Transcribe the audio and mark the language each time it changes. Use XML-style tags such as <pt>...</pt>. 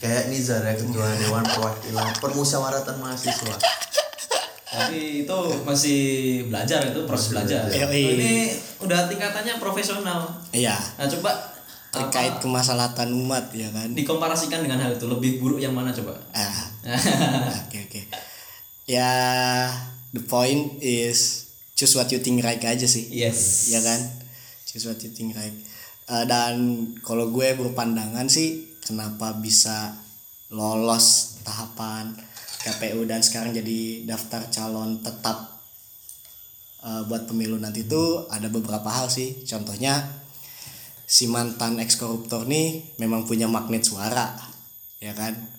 <id>Kayak Nizar ya, ketua Dewan Perwakilan Permusyawaratan Mahasiswa. Tapi itu masih belajar, itu proses belajar. Yoi. Ini udah tingkatannya profesional. Iya. Nah, coba terkait kemaslahatan umat ya kan. Dikomparasikan dengan hal itu, lebih buruk yang mana coba? Oke, oke.</id> <en>Ya, the point is choose what you think right</en> <id>aja sih.</id> <en>Yes.</en> <id>Ya kan?</id> <en>Choose what you think right.</en> <id>Dan kalau gue berpandangan sih, kenapa bisa lolos tahapan KPU dan sekarang jadi daftar calon tetap buat pemilu nanti, itu ada beberapa hal sih. Contohnya si mantan ex koruptor nih memang punya magnet suara, ya kan.</id>